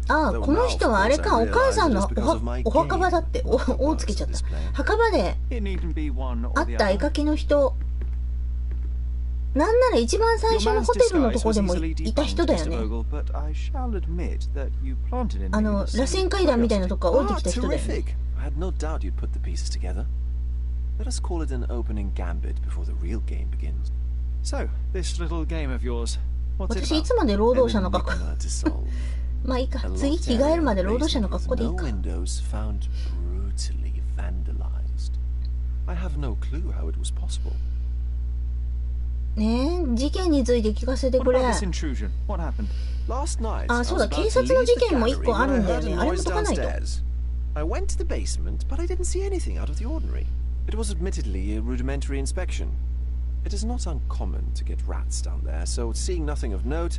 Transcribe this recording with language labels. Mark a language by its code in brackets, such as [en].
[ja] ああ、この人はあれか、お母さんのお墓場だって、おつけちゃった。墓場で会った絵描きの人、なんなら一番最初のホテルのとこでもいた人だよね。あの螺旋階段みたいなとこから降りてきた人だよね。 [en] I had no doubt you'd put the pieces together. Let us call it an opening gambit before the real game begins. So, this little game of yours, what's it about? [ja] 私いつまで労働者の格好まあいいか、次着替えるまで労働者の格好でいいか。 [en] No windows found brutally vandalized. I have no clue how it was possible. [ja] ねえ、事件について聞かせてくれ。あ、そうだ、警察の事件も一個あるんだよね。あれも解かないと。 [en] I went to the basement, but I didn't see anything out of the ordinary. It was admittedly a rudimentary inspection. It is not uncommon to get rats down there, so seeing nothing of note,